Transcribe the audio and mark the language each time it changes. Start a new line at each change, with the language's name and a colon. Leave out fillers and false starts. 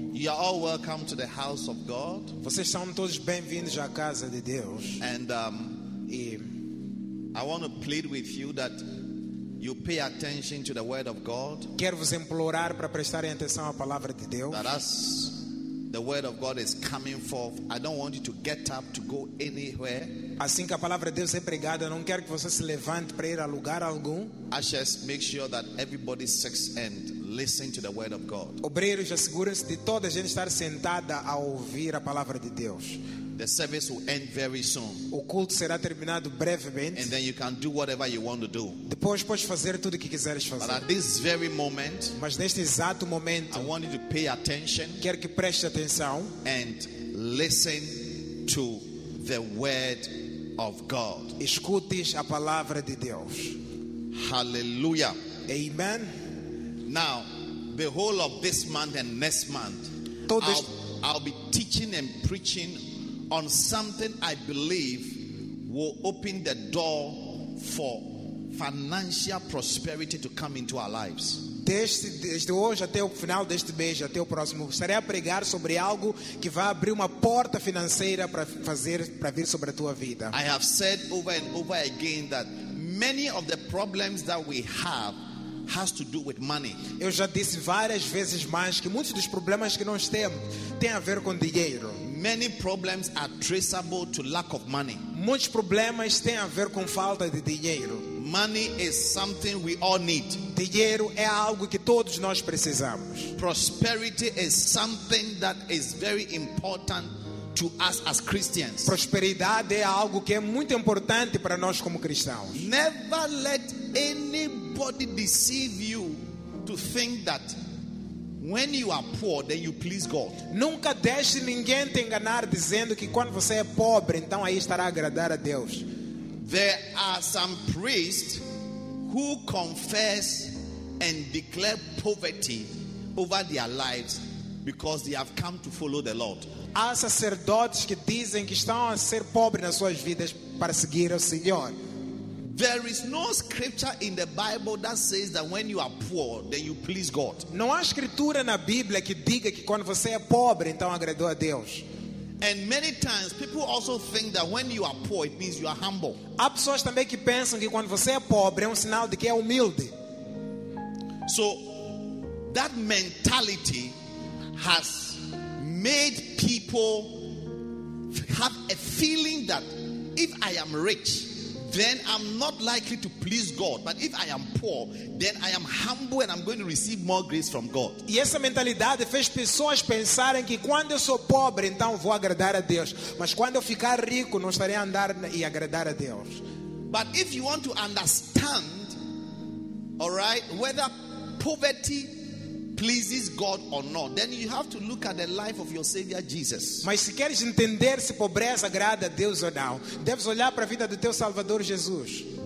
English: You are all welcome to the house of God.
Portuguese: Vocês são todos bem-vindos à casa de Deus.
English: And I want to plead with you that you pay attention to the word of God.
Portuguese: Quero vos implorar para prestar atenção à palavra de Deus.
English: That as the word of God is coming forth, I don't want you to get up to go anywhere.
Portuguese: Assim que a palavra de Deus é pregada, não quero que você se levante para ir a lugar algum.
English: Ushers, make sure that everybody sits and listen to the word of God.
Portuguese: Obreiros, assegurem-se de toda a gente estar sentada a ouvir a palavra de Deus.
English: The service will end very soon.
Portuguese: O culto será terminado brevemente.
English: And then you can do whatever you want to do.
Portuguese: Depois podes fazer tudo o que quiseres fazer.
English: But at this very moment,
Portuguese: mas neste exato momento,
English: I want you to pay attention.
Portuguese: Quero que prestes atenção.
English: And listen to the word of God.
Portuguese: Escutes a palavra de Deus.
English: Hallelujah. Amen. Now, the whole of this month and next month, I'll be teaching and preaching on something I believe will open the door for financial prosperity to come into our lives.
Portuguese: Desde hoje até o final deste mês, até o próximo, estarei a pregar sobre algo que vai abrir uma porta financeira para vir sobre a tua vida.
English: I have said over and over again that many of the problems that we have has to do with money.
Portuguese: Eu já disse várias vezes mais que muitos dos problemas que nós temos têm a ver com dinheiro.
English: Many problems are traceable to lack of money.
Portuguese: Muitos problemas têm a ver com falta de dinheiro.
English: Money is something we all need.
Portuguese: Dinheiro é algo que todos nós precisamos.
English: Prosperity is something that is very important to us as Christians.
Portuguese: Prosperidade é algo que é muito importante para nós como cristãos.
English: Never let anybody deceive you to think that when you are poor, then you please God.
Portuguese: Nunca deixe ninguém te enganar dizendo que quando você é pobre, então aí estará a agradar a Deus.
English: There are some priests who confess and declare poverty over their lives because they have come to follow the Lord.
Portuguese: Há sacerdotes que dizem que estão a ser pobres nas suas vidas para seguir o Senhor.
English: There is no scripture in the Bible that says that when you are poor, then you please God.
Portuguese: Não há escritura na Bíblia que diga que quando você é pobre, então agradou a Deus.
English: And many times people also think that when you are poor, it means you are humble.
Portuguese: Há pessoas também que pensam que quando você é pobre é um sinal de que é humilde.
English: So that mentality has made people have a feeling that if I am rich, then I'm not likely to please God. But if I am poor, then I am humble and I'm going to receive more grace from God.
Portuguese: E essa mentalidade fez pessoas pensarem que quando eu sou pobre, então vou agradar a Deus. Mas quando eu ficar rico, não estarei a andar e agradar a Deus.
English: But if you want to understand, all right, whether poverty pleases God or not, then you have to look at the life of your Savior Jesus.
Portuguese: Mas se queres entender se pobreza agrada a Deus ou não, deves olhar para a vida do teu Salvador Jesus.